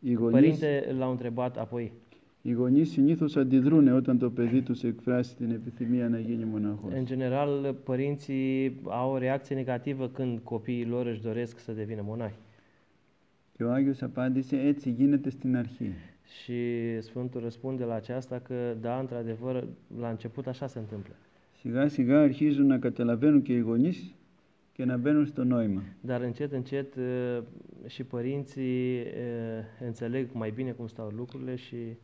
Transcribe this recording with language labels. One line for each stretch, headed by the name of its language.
Romanian: Părinte l-a întrebat apoi.
Greek: Οι γονείς συνήθως αντιδρούν όταν το παιδί τους εκφράσει την επιθυμία να γίνει μοναχός.
Romanian: În general, părinții au o reacție negativă când copiii lor își doresc să devină monahi.
Greek: Και ο Άγιος απάντησε, έτσι γίνεται στην αρχή.
Romanian: Și Sfântul răspunde la aceasta că, da, într-adevăr, la început așa se întâmplă.
Greek: Σιγά σιγά αρχίζουν να καταλαβαίνουν και οι γονείς και να μπαίνουν στο νόημα.
Romanian: Dar încet, încet și părinții înțeleg mai bine cum stau lucrurile și